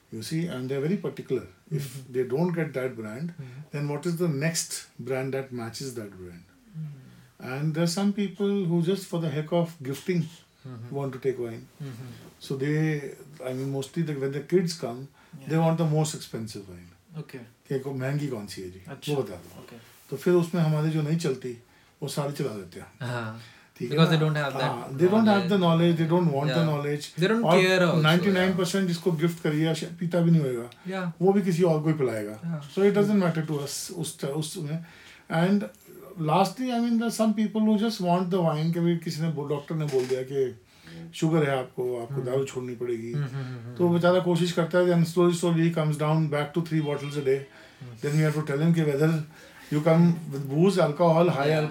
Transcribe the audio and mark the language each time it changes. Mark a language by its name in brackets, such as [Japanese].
[English] You see, and they're very particular. Mm-hmm. If they don't get that brand, mm-hmm. then what is the next brand that matches that brand? Mm-hmm. And there are some people who just for the heck of gifting mm-hmm. want to take wine. Mm-hmm. So they, I mean, mostly when the kids come, yeah. they want the most expensive wine. Okay. [Hindi] कि महंगी कौन सी है जी? अच्छा. वो बता दो. [English] Okay. [Hindi] तो फिर उसमें हमारी जो नहीं चलती, वो सारी चला देते हैं. [English] हाँ. Because they don't have that they knowledge. Don't have the knowledge they don't want yeah. the knowledge they don't or care also [Hindi] 99% jisko gift kariya pita bhi nahi hoga [English] yeah wo bhi kisi aur ko hi pilayega so it doesn't matter to us usme and lastly I mean there are some people who just want the wine kabhi kisi ne doctor ne bol diya ki sugar hai aapko daru chhodni padegi to bechara koshish karta hai and slowly comes down back to 3 bottles a day then we have to tell him ki whether You come with booze, alcohol, high yeah.